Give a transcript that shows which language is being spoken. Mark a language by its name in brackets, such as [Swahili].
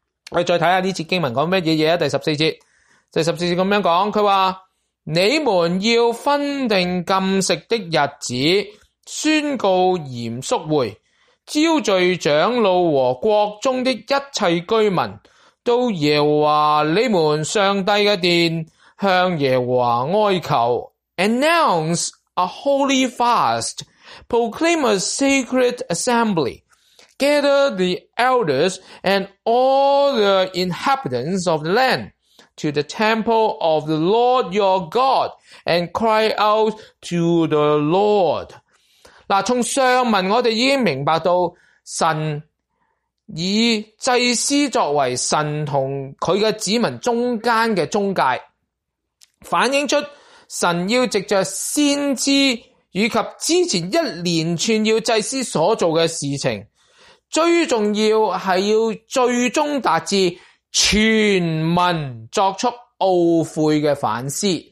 [Chinese] 我们再看看这节经文讲什么东西。第十四节，第十四节这样讲，他说你们要分定禁食的日子，宣告严肃会，召聚长老和国中的一切居民，到耶和华你们上帝的殿向耶和华哀求。 [English] Announce a holy fast, proclaim a sacred assembly, gather the elders and all the inhabitants of the land to the temple of the Lord your God and cry out to the Lord。 [Chinese] 从上文我们已经明白到，神以祭司作为神和他的子民中间的中介，反映出神要藉着先知以及之前一连串要祭司所做的事情，最重要是要最终达至全民作出懊悔的反思。